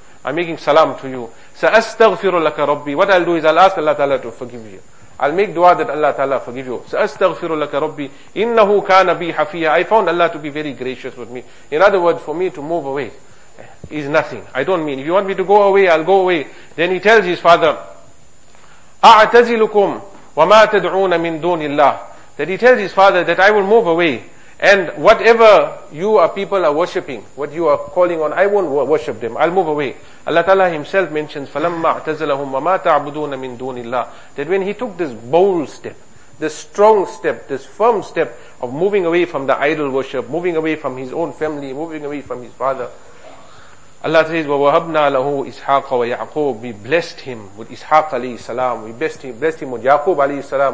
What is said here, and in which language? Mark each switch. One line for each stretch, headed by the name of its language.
English: I'm making salam to you.
Arabic: Sa astaghfiru laka rabbi.
English: What I'll do is I'll ask Allah ta'ala to forgive you. I'll make dua that Allah ta'ala forgive you.
Arabic: Sa astaghfiru laka rabbi. Innahu kana bi hafiya.
English: I found Allah to be very gracious with me. In other words, for me to move away is nothing. I don't mean, if you want me to go away, I'll go away. Then he tells his father,
Arabic: أَعْتَزِلُكُمْ وَمَا تَدْعُونَ مِن دُونِ اللَّهِ.
English: That he tells his father that I will move away, and whatever you are people are worshipping, what you are calling on, I won't worship them. I'll move away. Allah Ta'ala himself mentions,
Arabic: فَلَمَّا أَعْتَزَلَهُمْ وَمَا تَعْبُدُونَ مِن دُونِ اللَّهِ.
English: That when he took this bold step, this strong step, this firm step of moving away from the idol worship, moving away from his own family, moving away from his father, Allah says,
Arabic: وَوَهَبْنَا لَهُ إِسْحَاقَ وَيَعْقُوبِ.
English: We blessed him with Ishaq alayhi salam. We blessed him with Yaqub alayhi salam.